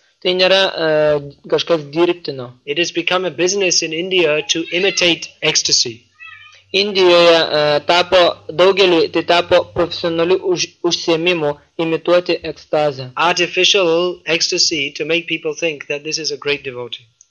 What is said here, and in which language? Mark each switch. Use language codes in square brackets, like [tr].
[lt] Tai nėra kažkas dirbtino. [en] It has become a business in India to imitate ecstasy. [lt] Indijoje tapo daugelį, tai tapo profesionaliu užsiėmimu imituoti ekstazę. [en] Artificial ecstasy to make people think that this is a great devotee.